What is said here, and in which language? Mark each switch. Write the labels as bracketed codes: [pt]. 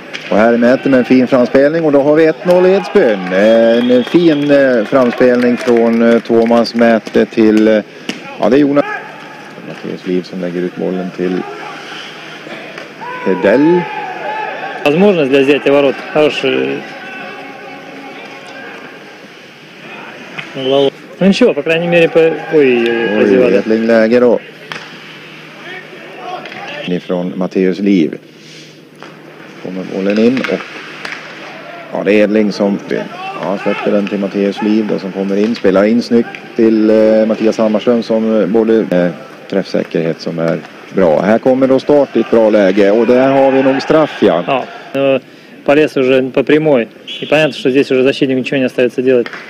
[sv] Och här mäter med en fin framspelning och då har vi 1-0 i Edsbyn. En fin framspelning från Thomas Mäte till, ja, det är Jonas. Mattias Liv som lägger ut bollen till Hedell. [ru] Возможность для взятия ворот. Хороший. Ну ничего, по крайней мере, по... [sv] Ой, Этлинг Лягер då. Ifrån Mattias Liv. Kommer bollen in och... Ja, det är Edling som... Ja, släpper den till Mattias Liv då, som kommer in. Spelar in snyggt till Mattias Hammarström som både... träffsäkerhet som är bra. Här kommer då start i ett bra läge och där har vi nog straff, ja. [ru] Ja, полез уже по прямой. И понятно, что здесь уже защитник ничего не остается делать.